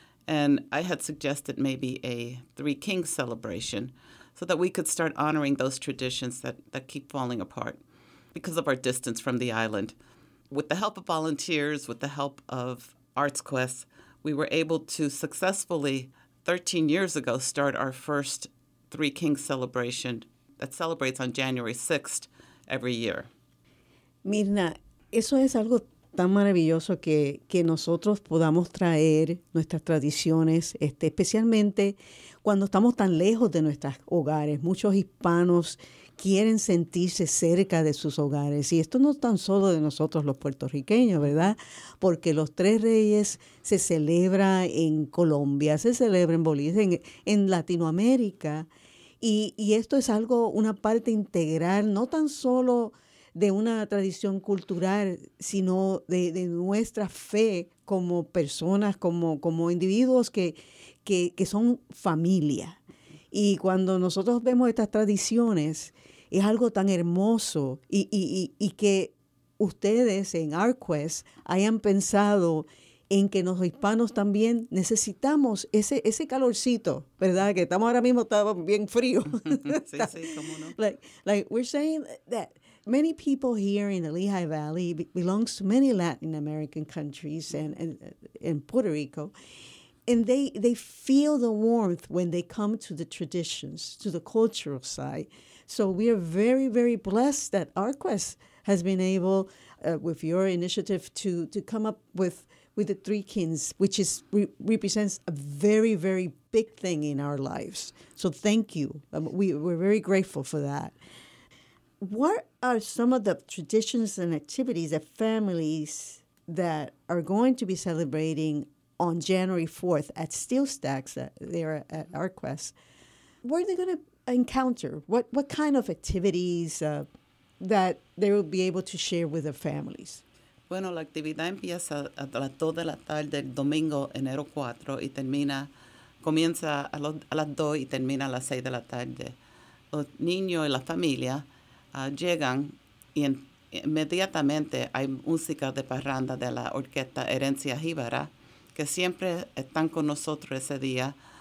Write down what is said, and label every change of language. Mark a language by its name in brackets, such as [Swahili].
[English] And I had suggested maybe a Three Kings celebration so that we could start honoring those traditions that keep falling apart because of our distance from the island. With the help of volunteers, with the help of Arts Quest, we were able to successfully, 13 years ago, start our first Three Kings celebration that celebrates on January 6th every year. [Spanish] Mirna, eso es algo tan maravilloso que nosotros podamos traer nuestras tradiciones, especialmente cuando estamos tan lejos de nuestros hogares. Muchos hispanos quieren sentirse cerca de sus hogares. Y esto no tan solo de nosotros los puertorriqueños, ¿verdad? Porque los Tres Reyes se celebra en Colombia, se celebra en Bolivia, en Latinoamérica. Y esto es algo, una parte integral, no tan solo de una tradición cultural, sino de nuestra fe como personas, como individuos que son familia. Y cuando nosotros vemos estas tradiciones, es algo tan hermoso y que ustedes en ArtQuest hayan pensado en que los hispanos también necesitamos ese calorcito, ¿verdad? Que estamos ahora mismo estamos bien frío. Sí, cómo no. [English] Like we're saying that many people here in the Lehigh Valley belongs to many Latin American countries and Puerto Rico. And they feel the warmth when they come to the traditions, to the cultural side. So we are very, very blessed that ArtQuest has been able, with your initiative, to come up with the Three Kings, which is represents a very, very big thing in our lives. So thank you. We're very grateful for that. What are some of the traditions and activities that families that are going to be celebrating on January 4th at Steel Stacks there at ArtQuest, where are they going to encounter? What kind of activities that they will be able to share with their families? [Spanish] Bueno, la actividad empieza a las 2 de la tarde el domingo, enero 4, y termina, comienza a las 2 y termina a las 6 de la tarde. Los niños y la familia llegan y inmediatamente hay música de parranda de la orquesta Herencia Jíbara, que siempre están con nosotros ese día.